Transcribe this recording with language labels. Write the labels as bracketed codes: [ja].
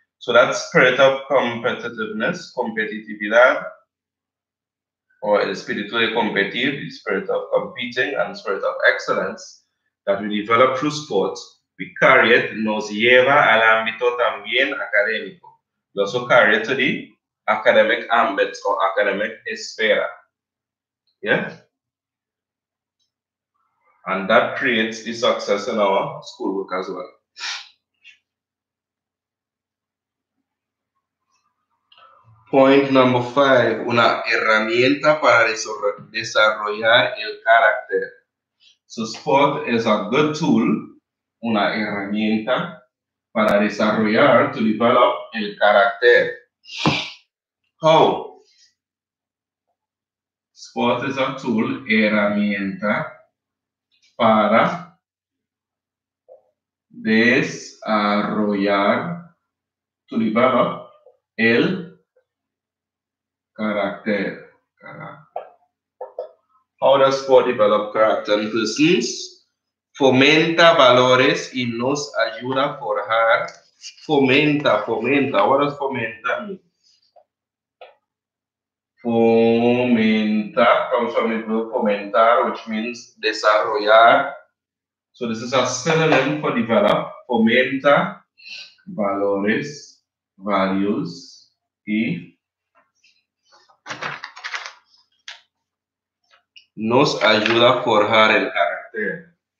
[en] So that spirit of competitiveness, [es] competitividad, [en] or [es] espiritual competir, [en] the spirit of competing and spirit of excellence that we develop through sports, we carry it, [es] nos lleva al ámbito también académico. [en] We also carry it to the academic ambit or academic esfera. Yeah? And that creates the success in our schoolwork as well. Point number 5, [es] una herramienta para desarrollar el carácter. [en] So sport is a good tool, [es] una herramienta para desarrollar, [en] to develop [es] el carácter. [en] How? Sport is a tool, [es] herramienta para desarrollar, [en] to develop [es] el carácter. [en] How does sport develop character in persons? [es] Fomenta valores y nos ayuda a forjar. Fomenta. [en] What does fomenta mean? Fomenta comes from the word fomentar, which means desarrollar. So this is a synonym for develop. [es] Fomenta valores, values, y nos ayuda a forjar el carácter.